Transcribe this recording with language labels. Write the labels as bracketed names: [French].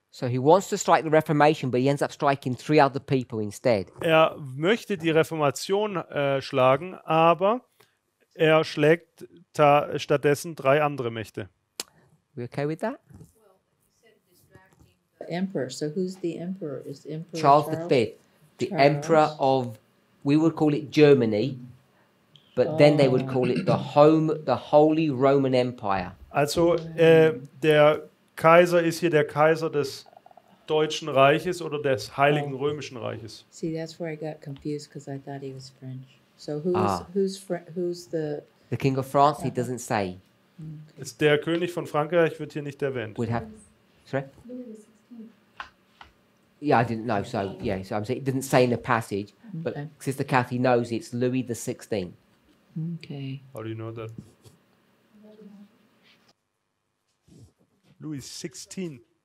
[English] So he wants to strike the Reformation, but he ends up striking three other people instead. [German] Er möchte die Reformation schlagen, aber er schlägt stattdessen drei andere Mächte. [English] We okay with that? The emperor. So who's the emperor? Is the emperor Charles V, the emperor of, we would call it Germany, but then they would call it the Holy Roman Empire. [German] Also der Kaiser ist hier der Kaiser des Deutschen Reiches oder des Heiligen Römischen Reiches? [English] See, that's where I got confused because I thought he was French. So who's the... The King of France, he doesn't say. Okay. [German] Ist der König von Frankreich wird hier nicht erwähnt. [English] Would have... Sorry? Yeah, I didn't know. So, yeah, so I'm saying it didn't say in the passage, but Sister Kathy knows it's Louis the 16th. Okay. How do you know that? Louis 16.